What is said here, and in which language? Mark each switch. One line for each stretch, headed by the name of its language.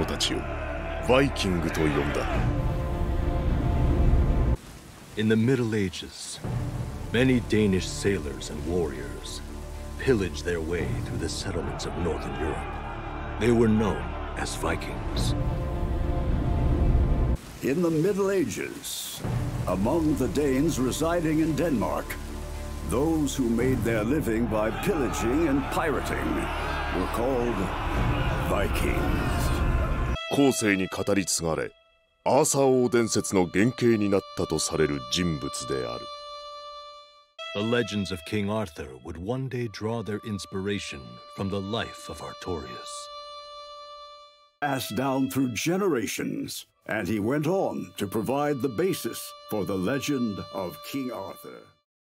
Japanese: 中世、デンマークに居住するデーン人のうち、略奪や海賊行為を生業とする者たちをバイキングと呼んだ。
English: In the Middle Ages, many Danish sailors and warriors pillaged their way through the settlements of Northern Europe. They were known as Vikings. In the Middle Ages, among the Danes residing in Denmark, those who made their living by pillaging and pirating were called Vikings.
Japanese: 後世に語り継がれ、 アーサー王伝説の原型になったとされる人物である。
English: The legends of King Arthur would one day draw their inspiration from the life of Artorius. Passed down through generations, and he went on to provide the basis for the legend of King Arthur.